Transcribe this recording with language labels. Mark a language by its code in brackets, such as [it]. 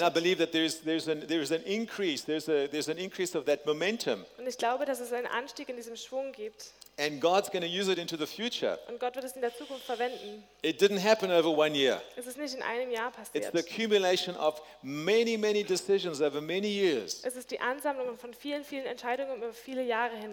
[en] And I believe that there's an increase of that momentum. [de] Und ich glaube, dass es einen Anstieg in diesem Schwung gibt. [en] And God's going to use it into the future. [de] Und Gott wird es in der Zukunft verwenden. [en] It didn't happen over 1 year. [de] Es ist nicht in einem Jahr passiert. [en] It's the accumulation of many, many decisions over many years. [de] Es ist die Ansammlung von vielen, vielen Entscheidungen über viele Jahre hinweg.